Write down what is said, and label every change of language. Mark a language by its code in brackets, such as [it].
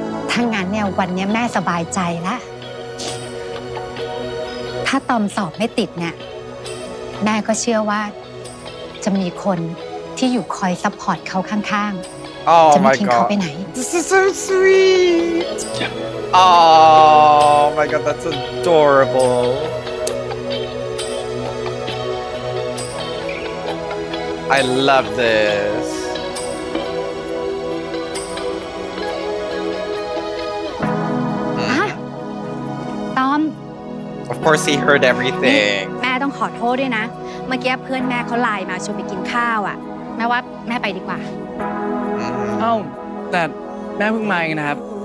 [th] ถ้างั้นเนี่ยวันนี้แม่สบายใจแล้วถ้าตอมสอบไม่ติดเนี่ยแม่ก็เชื่อว่าจะมีคนที่อยู่คอยซัพพอร์ตเขาข้างๆจะไม่ทิ้งเขาไปไหน [en] This is so sweet Oh my god that's adorable I love thisOf course, he heard everything. [th] แม่ต้องขอโทษด้วยนะเมื่อกี้เพื่อนแม่เขาไลน์มาชวนไปกินข้าวอ่ะแม่ว่าแม่ไปดีกว่า เอ้าแต่แม่เพิ่งมาเองนะครับ